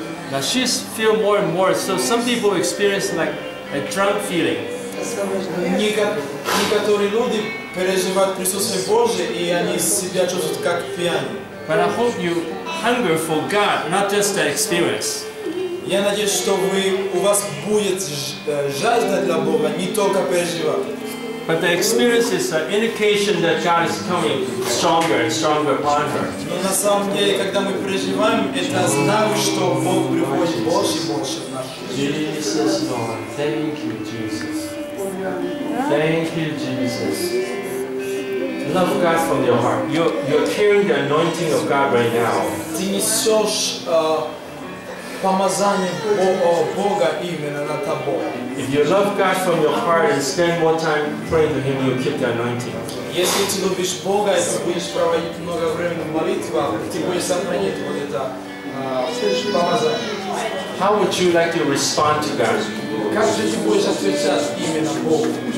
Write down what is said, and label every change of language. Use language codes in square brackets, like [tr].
[en] Now she's feel more and more. So some people experience like a drunk feeling. But I hope you hunger for God, not just the experience. [ru] Я надеюсь, что у вас будет жажда для Бога, не только переживать. [en] But the experience is an indication that God is coming stronger and stronger upon her. [ru] Но на самом деле, когда мы переживаем, это знак, что Бог приходит больше и больше в нашу жизнь. [en] Jesus, Lord, thank you, Jesus. Thank you, Jesus. Love God from your heart. You're carrying the anointing of God right now. [ru] Ты несешь помазание Бога именно на тобой. [en] If you love God from your heart and spend more time praying to Him, you'll keep the anointing. [ru] Если ты любишь Бога, и ты будешь проводить много времени в молитвах, ты будешь сохранять вот это помазание. [en] How would you like to respond to God? [ru] Как же ты будешь отвечать именно Богу?